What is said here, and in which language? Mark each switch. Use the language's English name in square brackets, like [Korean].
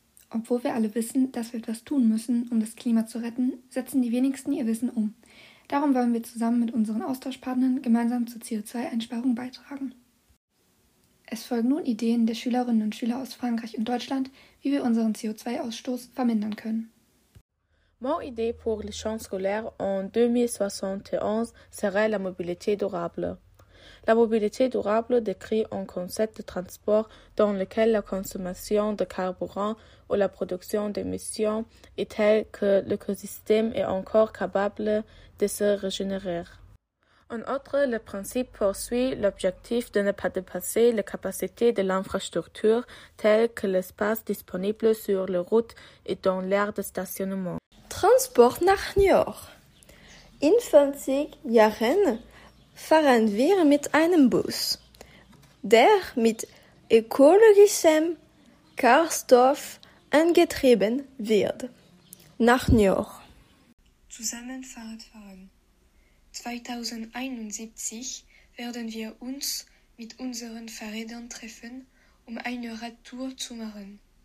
[German] Obwohl wir alle wissen, dass wir etwas tun müssen, um das Klima zu retten, setzen die wenigsten ihr Wissen um. Darum wollen wir zusammen mit unseren Austauschpartnern gemeinsam zur CO2-Einsparung beitragen. Es folgen nun Ideen der Schülerinnen und Schüler aus Frankreich und Deutschland, wie wir unseren CO2-Ausstoß vermindern können. [French] Mon idée pour les champs scolaires en 2071 serait la mobilité durable. La mobilité durable décrit un concept de transport dans lequel la consommation de carburant ou la production d'émissions est telle que l'écosystème est encore capable de se régénérer. En outre, le principe poursuit l'objectif de ne pas dépasser les capacités de l'infrastructure telle que l'espace disponible sur les routes et dans l'aire de stationnement. [German] Transport nach Niort. In 50 Jahren fahren wir mit einem Bus, der mit ökologischem Kraftstoff angetrieben wird. Nach Niort. Zusammen Fahrradfahren. 2071 werden wir uns mit unseren Fahrrädern treffen, um eine Radtour zu machen.